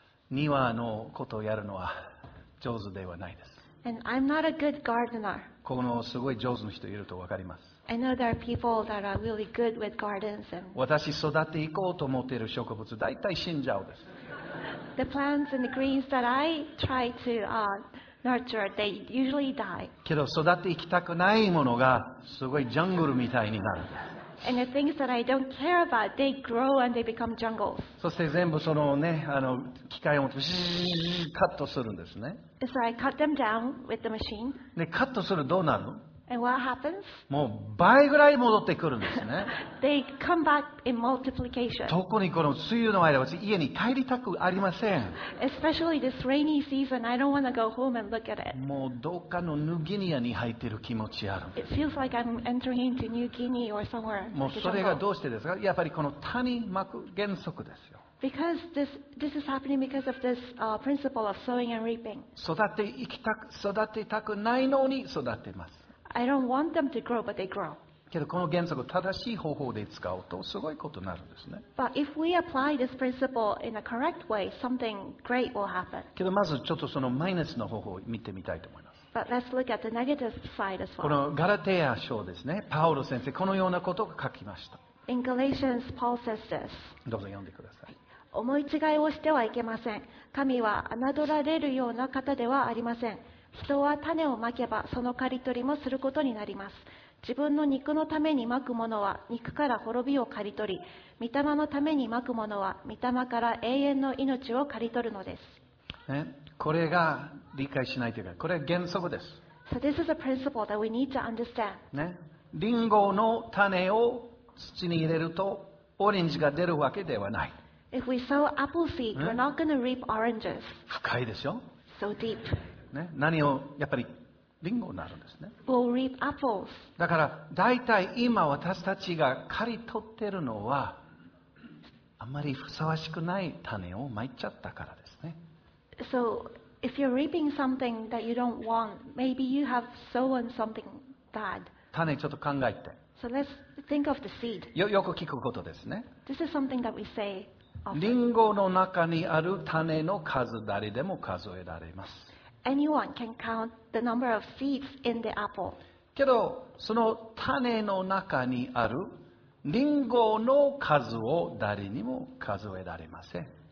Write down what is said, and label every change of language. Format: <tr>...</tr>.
<ja>庭のことをやるのは上手ではないです。</ja> <en>And I'm not a good gardener.</en> <ja>このすごい上手の人いると分かります。</ja> <en>I know there are people that are really good with gardens and</en> <ja>私育っていこうと思っている植物、大体死んじゃうです。</ja> <en>The plants and the greens that I try to nurture, they usually die.</en> <ja>けど育っていきたくないものがすごいジャングルみたいになるんです。</ja> <en>And the things that I don't care about, they grow and they become jungles.</en> <ja>そして全部そのね、機械を持ってシーッカットするんですね。</ja> <en>So I cut them down with the machine.</en> <ja>で、カットするとどうなる？</ja> <en>And what happens?</en> <ja>もう倍ぐらい戻ってくるんですね。</ja> <en>They come back in multiplication.</en> <ja>特にこの梅雨の間、私家に帰りたくありません。</ja> <en>Especially this rainy season, I don't want to go home and look at it.</en> <ja>もうどっかのニューギニアに入ってる気持ちある。</ja> <en>It feels like I'm entering into New Guinea or somewhere.</en> <ja>もうそれがどうしてですか？やっぱりこの谷膜原則ですよ。</ja> <en>Because this is happening because of this principle of sowing and reaping.</en> <ja>育てたくないのに育てます。</ja> <en>I don't want them to grow, but they grow.</en> <ja>けどこの原則を正しい方法で使うとすごいことになるんですね。</ja> <en>But if we apply this principle in a correct way, something great will happen.</en> <ja>けどまずちょっとそのマイナスの方法を見てみたいと思います。</ja> <en>But let's look at the negative side as well.</en> <ja>このガラテヤ書ですね。パウロ先生このようなことを書きました。</ja> <en>In Galatians, Paul says this.</en> <ja>どうぞ読んでください。思い違いをしてはいけません。神は侮られるような方ではありません。人は種をまけばその刈り取りもすることになります。自分の肉のためにまくものは肉から滅びを刈り取り、御霊のためにまくものは御霊から永遠の命を刈り取るのです。ね、これが理解しないというか、これは原則です。</ja> <en>So this is a principle that we need to understand.</en> <ja>ね、リンゴの種を土に入れるとオレンジが出るわけではない。</ja> <en>If we sow apple seed, we're not going to reap oranges.</en> <ja>深いでしょ。</ja> <en>So deep.</en> <ja>ね、何をやっぱりリンゴになるんですね。</ja> <en>We'll reap apples.</en> <ja>だから大体今私たちが刈り取ってるのはあまりふさわしくない種をまいちゃったからですね。</ja> <en>So if you're reaping something that you don't want, maybe you have sown something bad.</en> <ja>種ちょっと考えて。</ja> <en>So let's think of the seed.</en> <ja>よく聞くことですね。</ja> <en>This is something that we say.</en> <ja>リンゴの中にある種の数誰でも数えられます。</ja> <en>Anyone can count the number of seeds in the apple.</en> <ja>けどその種の中にあるリンゴの数を誰にも数えられません。</ja>